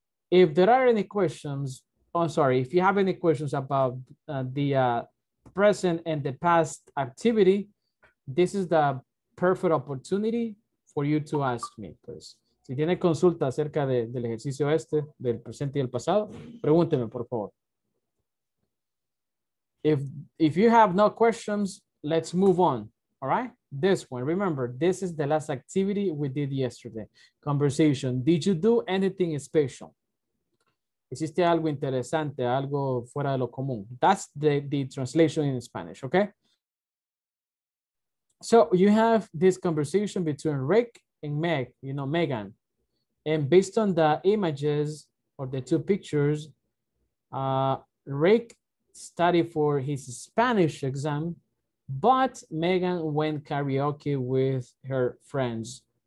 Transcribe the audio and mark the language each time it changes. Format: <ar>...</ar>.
<en>If there are any questions, if you have any questions about the present and the past activity, this is the perfect opportunity for you to ask me, please.</en> <es>Si tiene consulta acerca del ejercicio este, del presente y el pasado, pregúnteme, por favor.</es> <en>If you have no questions, let's move on, all right? This one, remember, this is the last activity we did yesterday. Conversation, did you do anything special?</en> <es>¿Existe algo interesante, algo fuera de lo común?</es> <en>That's the translation in Spanish, okay? So you have this conversation between Rick and Meg, you know, Megan. And based on the images or the two pictures, Rick studied for his Spanish exam, but Megan went karaoke with her friends.</en>